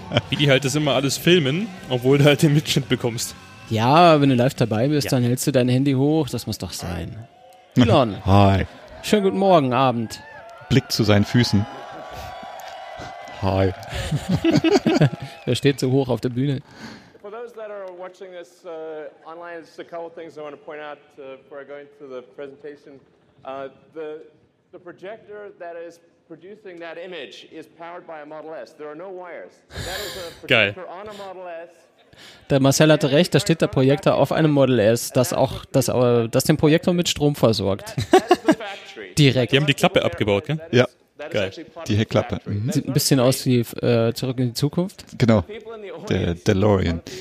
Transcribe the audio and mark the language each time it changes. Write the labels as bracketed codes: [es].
[de] Wie die halt das immer alles filmen, obwohl du halt den Mitschnitt bekommst. Ja, wenn du live dabei bist, dann hältst du dein Handy hoch, das muss doch sein. Elon. Hi. Schönen guten Morgen, Abend. blickt zu seinen Füßen. Hi. Er steht so hoch auf der Bühne. [en] For those that are watching this online, just a couple things I want to point out before I go into the presentation. The projector that is producing that image is powered by a Model S. There are no wires. That is a projector on a Model S. [de] Der Marcel hatte recht, da steht der Projektor auf einem Model S, das den Projektor mit Strom versorgt. Direkt. Die haben die Klappe abgebaut, gell? Ja. Geil. Die Heckklappe. Mhm. Sieht ein bisschen aus wie Zurück in die Zukunft. Genau. Der DeLorean.